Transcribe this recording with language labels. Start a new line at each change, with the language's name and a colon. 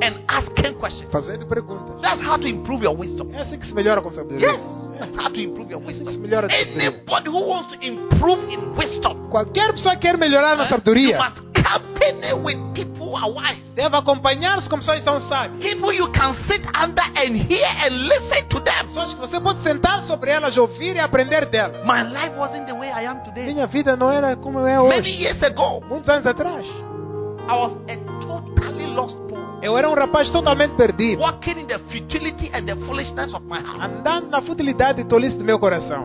English: And asking questions.
Portuguese: Fazendo perguntas.
English: That's how to improve your wisdom.
Portuguese: É assim que se melhora com sabedoria.
English: Yes. That's how to improve your wisdom.
Portuguese: É assim que se melhora com sabedoria.
English: Anybody who wants to improve in wisdom.
Portuguese: Qualquer pessoa quer melhorar na sabedoria.
English: You must accompany with people. Are wise.
Portuguese: Deve acompanhar-se com pessoas que são sábias.
English: People you can sit under and hear and listen to them.
Portuguese: Pessoas que você pode sentar sobre elas, ouvir e aprender delas.
English: My life wasn't the way I am today.
Portuguese: Minha vida não era como é hoje.
English: Many years ago,
Portuguese: muitos anos atrás,
English: I was a totally lost boy.
Portuguese: Eu era um rapaz totalmente perdido.
English: Walking in the futility and the foolishness of my heart.
Portuguese: Andando na futilidade e tolice do meu coração.